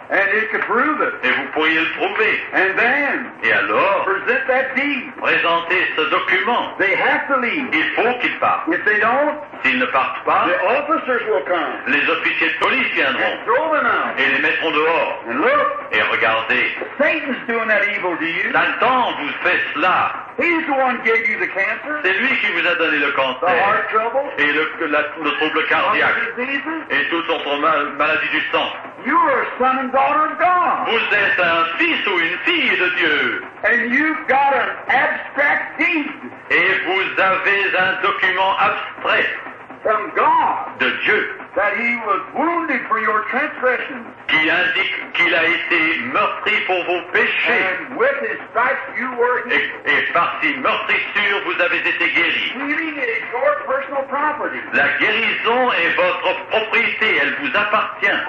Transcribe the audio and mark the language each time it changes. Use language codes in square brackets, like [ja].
[en] And it could prove it. [fr] Et vous pourriez le prouver. [en] And then, [fr] et alors, [en] present that deed. [fr] Présentez ce document. [en] They have to leave. [fr] Il faut qu'ils partent. [en] If they don't, [fr] s'ils ne partent pas, [en] the officers will come. [fr] Les officiers de police viendront. [en] And throw them out. [fr] Et les mettront dehors. [en] And look, [fr] et regardez. [en] Satan's doing that evil to you. [fr] Satan vous fait cela. [en] He's the one who gave you the cancer. [fr] C'est lui qui vous a donné le cancer. [en] The heart trouble. [fr] Et le trouble cardiaque. Et toutes autres maladies du sang. [en] You are a son and daughter of God. [fr] Vous êtes un fils ou une fille de Dieu. [en] And you've got an abstract deed. [fr] Et vous avez un document abstrait. [en] From God. [fr] De Dieu. [en] That he was wounded for your transgressions. [fr] Qui indique qu'il a été meurtri pour vos péchés. [en] And with his stripes you were healed. [fr] Et par ses meurtrissures vous avez été guéri. [en] Healing is your personal property. [fr] La guérison est votre propriété, elle vous appartient.